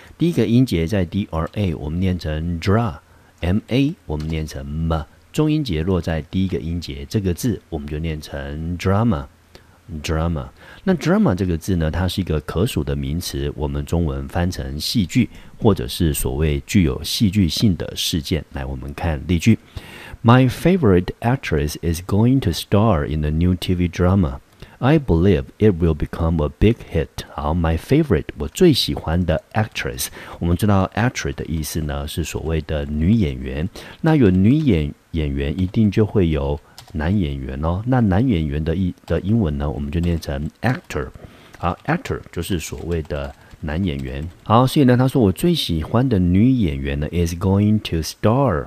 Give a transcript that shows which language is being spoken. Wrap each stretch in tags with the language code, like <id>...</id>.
<zh>第一个音节在 d r a， 我们念成 dra；m a， 我们念成 m。中音节落在第一个音节，这个字我们就念成 drama。 drama， 那 drama 这个字呢，它是一个可数的名词，我们中文翻成戏剧，或者是所谓具有戏剧性的事件。来，我们看例句。</zh> <en>My favorite actress is going to star in the new TV drama. I believe it will become a big hit.</en> <zh>好，</zh> <en>my favorite，</en> <zh>我最喜欢的 actress， 我们知道 actress 的意思呢，是所谓的女演员。那有女演员一定就会有男演员哦，那男演员的英文呢，我们就念成 actor。好， actor 就是所谓的男演员。好，所以呢，他说我最喜欢的女演员呢</zh> <en>is going to star。</en>